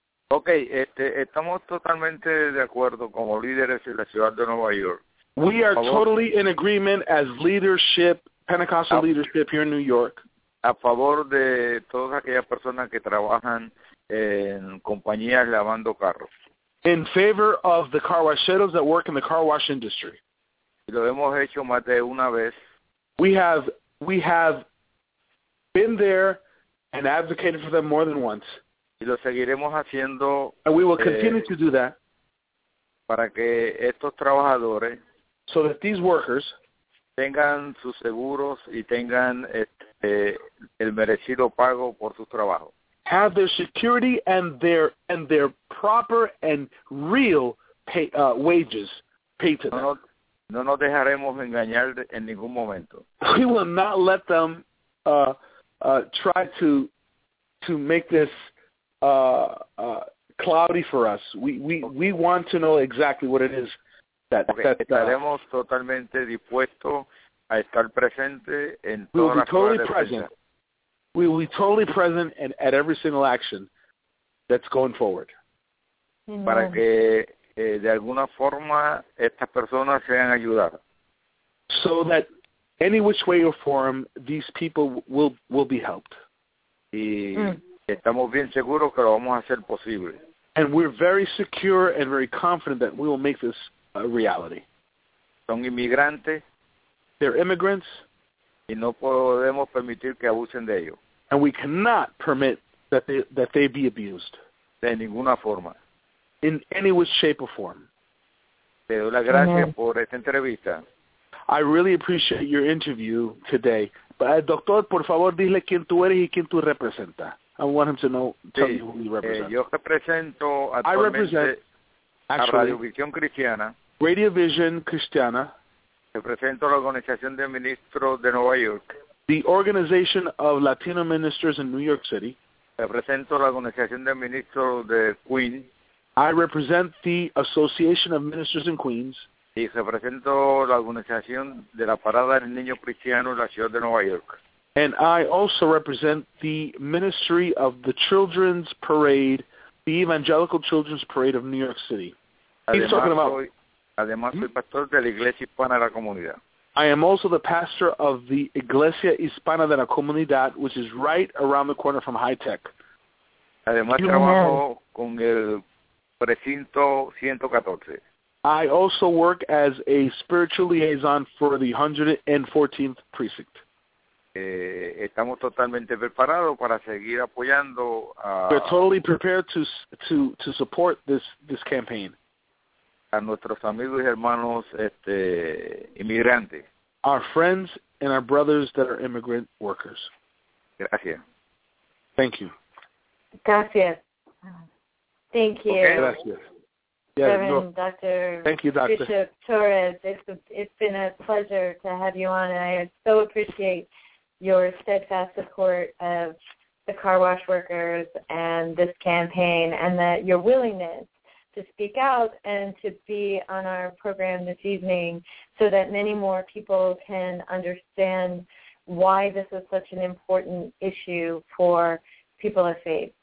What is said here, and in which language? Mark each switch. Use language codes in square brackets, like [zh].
[es] Ok, estamos totalmente de acuerdo como líderes en la ciudad de Nueva York. [en] We are totally in agreement as leadership, Pentecostal leadership here in New York. [es] A favor de todas aquellas personas que trabajan en compañías lavando carros. [en] In favor of the car washeros that work in the car wash industry. [es] Lo hemos hecho más de una vez. [en] We have been there and advocated for them more than once. [es] Y lo seguiremos haciendo. [en] And we will continue to do that. [es] Para que estos trabajadores, [en] so that these workers, [es] tengan sus seguros y tengan el merecido pago por sus trabajos. [en] Have their security and their proper and real wages paid to them. [es] No nos dejaremos engañar en ningún momento. [en] We will not let them try to make this cloudy for us. We want to know exactly what it is that [es] estaremos totalmente dispuesto a estar presente en todas las cosas. [en] We will be totally present. We will be totally present at every single action that's going forward. Amen. [es] Para que de alguna forma estas personas sean ayudadas. [en] So that any which way or form, these people will be helped. [es] Estamos bien seguros que lo vamos a hacer posible. [en] And we're very secure and very confident that we will make this a reality. [es] Son inmigrantes. [en] They're immigrants. [es] Y no podemos permitir que abusen de ellos. [en] And we cannot permit that they be abused. [es] De ninguna forma. [en] In any which shape or form. [es] Te doy las gracias por esta entrevista. [en] I really appreciate your interview today. [es] But, doctor, por favor, dile quién tú eres y quién tú representas. [en] I want him to know, tell you who he represents. [es] Yo represento actualmente, [en] I represent, actually, [es] a Radiovisión Cristiana. Radiovisión Cristiana. Represento la Organización de Ministros de Nueva York. [en] The Organization of Latino Ministers in New York City. [es] Represento la Organización de Ministros de Queens. [en] I represent the Association of Ministers in Queens. [es] Y represento la Organización de la Parada del Niño Cristiano en la Ciudad de Nueva York. [en] And I also represent the Ministry of the Children's Parade, the Evangelical Children's Parade of New York City. [es] Soy pastor de la Iglesia Hispana de la Comunidad. [en] I am also the pastor of the Iglesia Hispana de la Comunidad, which is right around the corner from High Tech. [es] Además, trabajo con el precinto 114. [en] I also work as a spiritual liaison for the 114th Precinct. [es] Estamos totalmente preparados para seguir apoyando a... [en] We're totally prepared to support this campaign. [es] A nuestros amigos y hermanos inmigrantes. [en] Our friends and our brothers that are immigrant workers. [es] Gracias. [en] Thank you. [es] Gracias. [en] Thank you. Okay. [es] Gracias. [en] Yeah, Reverend, no. Dr. Thank you, Dr. Bishop Torres, it's been a pleasure to have you on, and I so appreciate your steadfast support of the car wash workers and this campaign, and that your willingness to speak out and to be on our program this evening so that many more people can understand why this is such an important issue for people of faith.